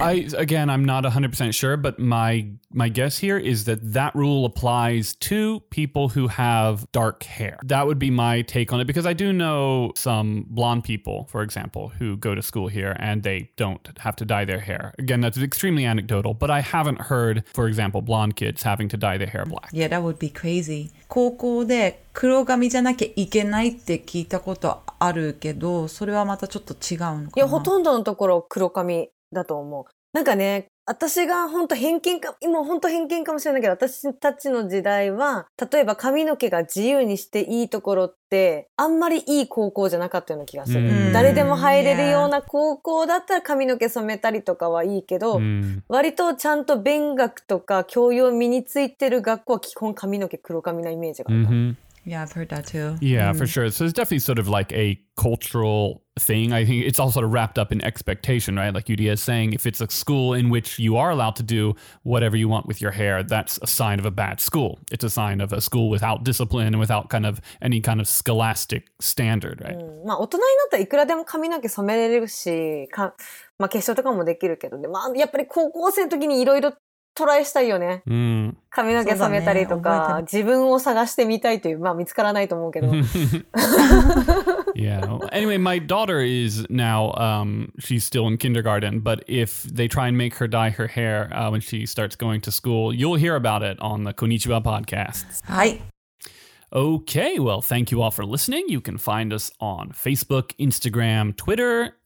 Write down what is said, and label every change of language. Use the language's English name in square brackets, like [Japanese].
[English] Again, I'm not 100% sure, but my guess here is that rule applies to people who have dark hair. That would be my take on it, because I do know some blonde people, for example, who go to school here and they don't have to dye their hair. Again, that's extremely anecdotal, but I haven't heard, for example, blonde kids having to dye their hair black. Yeah, that would be crazy. [Japanese] 高校で黒髪じゃなきゃいけないって聞いたことあるけど、それはまたちょっと違うのかな？いや、ほとんどのところ黒髪だと思う。なんかね、私が本当偏見か、今本当偏見かもしれないけど、私たちの時代は、例えば髪の毛が自由にしていいところって、あんまりいい高校じゃなかったような気がする。 Mm-hmm. 誰でも入れるような高校だったら髪の毛染めたりとかはいいけど、Mm-hmm. 割とちゃんと勉学とか教養身についてる学校は基本髪の毛黒髪なイメージがあった。 Mm-hmm. [English] Yeah, I've heard that too. Yeah, for sure. So it's definitely sort of like a cultural thing. I think it's all sort of wrapped up in expectation, right? Like Yudia is saying, if it's a school in which you are allowed to do whatever you want with your hair, that's a sign of a bad school. It's a sign of a school without discipline and without kind of any kind of scholastic standard, right? [Japanese] まあ大人になったらいくらでも髪の毛染めれるし、まあ化粧とかもできるけどね。まあやっぱり高校生の時にいろいろトライしたいよね。髪の毛染めたりとか、ね、自分を探してみたいという、まあ見つからないと思うけど。 [English] Yeah. Anyway, my daughter is now, she's still in kindergarten, but if they try and make her dye her hair, when she starts going to school, you'll hear about it on the Konnichiwa Podcast. [Japanese] はい。 [English] Okay, well, thank you all for listening. You can find us on Facebook, Instagram, Twitter,